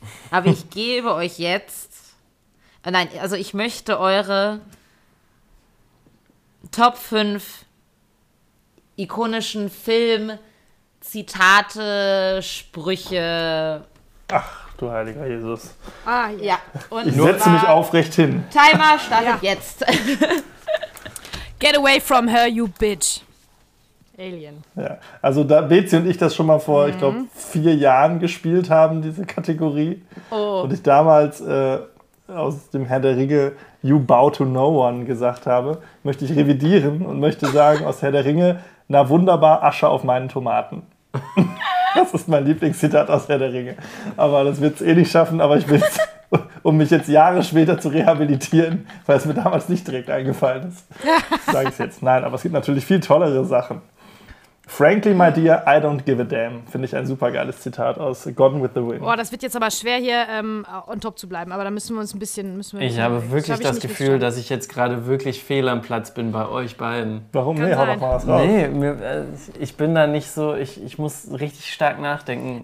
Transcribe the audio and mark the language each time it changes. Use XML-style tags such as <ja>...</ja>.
<de>Aber ich gebe euch jetzt, nein, also ich möchte eure Top 5 ikonischen Film, Zitate, Sprüche. Ach, du heiliger Jesus. Ah, ja. Und ich setze mich aufrecht hin. Timer startet jetzt.</de> <en>Get away from her, you bitch. Alien.</en> <de>Ja, also da Bezi und ich das schon mal vor, ich glaube, 4 Jahren gespielt haben, diese Kategorie. Oh. Und ich damals aus dem Herr der Ringe</de> <en>You Bow to No One</en> <de>gesagt habe, möchte ich revidieren und möchte sagen aus Herr der Ringe, na wunderbar, Asche auf meinen Tomaten. Das ist mein Lieblingszitat aus Herr der Ringe. Aber das wird es eh nicht schaffen, aber ich will es, um mich jetzt Jahre später zu rehabilitieren, weil es mir damals nicht direkt eingefallen ist. Sage ich es jetzt. Nein, aber es gibt natürlich viel tollere Sachen.</de> <en>Frankly, my dear, I don't give a damn.</en> <de>Finde ich ein super geiles Zitat aus Gone with the Wind. Boah, das wird jetzt aber schwer, hier on top zu bleiben. Aber da müssen wir uns ein bisschen... Ich habe wirklich das Gefühl, dass ich jetzt gerade wirklich fehl am Platz bin bei euch beiden. Warum? Nee, hau doch mal was raus. Nee, ich bin da nicht so... Ich muss richtig stark nachdenken.</de>